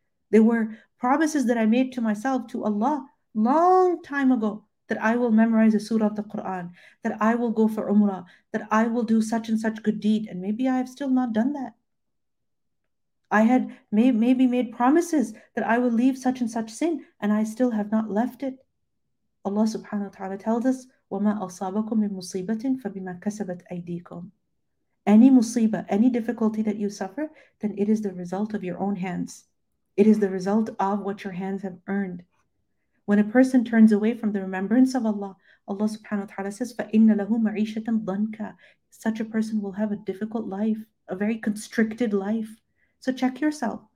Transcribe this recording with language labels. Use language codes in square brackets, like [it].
[en] There were promises that I made to myself, to Allah, long time ago, that I will memorize a surah of the Quran, that I will go for umrah, that I will do such and such good deed. And maybe I have still not done that. I had maybe made promises that I will leave such and such sin, and I still have not left it. Allah subhanahu wa ta'ala tells us, [ar] وما أصابكم من مصيبة فبما كسبت أيديكم. [en] Any مصيبة, any difficulty that you suffer, then it is the result of your own hands. It is the result of what your hands have earned. When a person turns away from the remembrance of Allah, Allah subhanahu wa ta'ala says, [ar] فَإِنَّ لَهُ مَعِيشَةً ضَنْكَ. [en] Such a person will have a difficult life, a very constricted life. So check yourself.